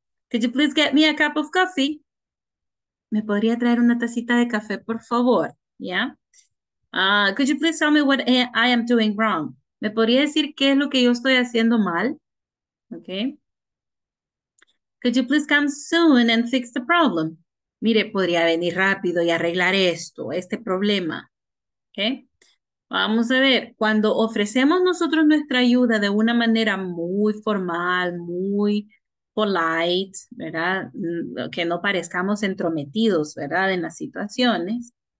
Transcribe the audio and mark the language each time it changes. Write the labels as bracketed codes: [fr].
[en] Could you please get me a cup of coffee? [es] ¿Me podría traer una tacita de café, por favor? Yeah. [en] Could you please tell me what I am doing wrong? [es] ¿Me podría decir qué es lo que yo estoy haciendo mal? Okay. [en] Could you please come soon and fix the problem? [es] Mire, podría venir rápido y arreglar esto, este problema. Okay. Vamos a ver, cuando ofrecemos nosotros nuestra ayuda de una manera muy formal, muy polite, ¿verdad? Que no parezcamos entrometidos, ¿verdad? En las situaciones.